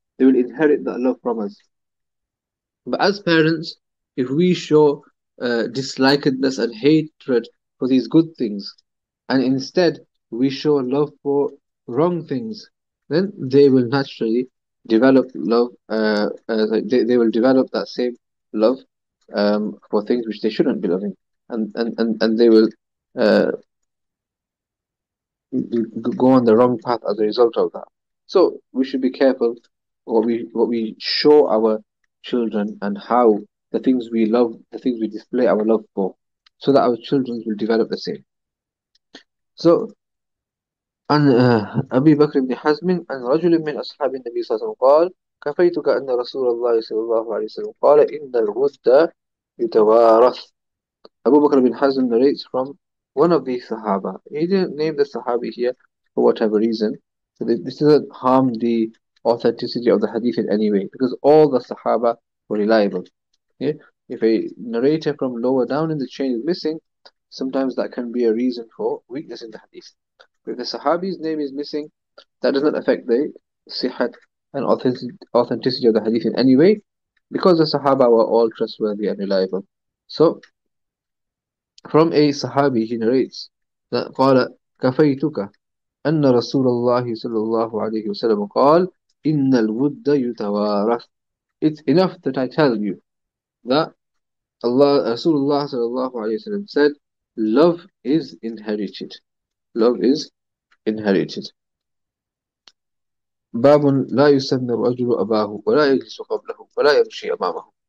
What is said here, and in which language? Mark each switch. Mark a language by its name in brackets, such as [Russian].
[English] They will inherit that love from us. But as parents, if we show dislikedness and hatred for these good things, and instead we show love for wrong things, then they will naturally develop love, they will develop that same love for things which they shouldn't be loving, and they will go on the wrong path as a result of that. So we should be careful what we show our children, and how the things we love, the things we display our love for, so that our children will develop the same. [Arabic] So عن أبي بكر بن حزم عن رجل من أصحاب النبي صلى الله عليه وسلم قال كفيتك أن رسول الله صلى الله عليه وسلم قال إن الغد يتوارث. [English] أبو بكر بن حزم narrates from one of the Sahaba. He didn't name the Sahabi here for whatever reason. So this doesn't harm the authenticity of the hadith in any way, because all the Sahaba were reliable. Okay? If a narrator from lower down in the chain is missing, sometimes that can be a reason for weakness in the hadith. If the Sahabi's name is missing, that doesn't affect the sihat and authenticity of the hadith in any way, because the Sahaba were all trustworthy and reliable. So, From a Sahabi, he narrates that [Arabic] قَالَ كَفَيْتُكَ أَنَّ رَسُولَ اللَّهِ صَلَّى اللَّهُ عَلَيْهِ وَسَلَّمَ قَالَ إِنَّ الْوُدَّ يُتَوَارَثُ. [English] It's enough that I tell you that Allah, Rasulullah sallallahu alayhi wa sallam said, love is inherited. Love is inherited. [Arabic] بَابٌ لَا يُسَمِّ الرَّجُلُ أَبَاهُ وَلَا يَجْلِسُ قَبْلَهُ وَلَا يَمْشِي أَمَامَهُ.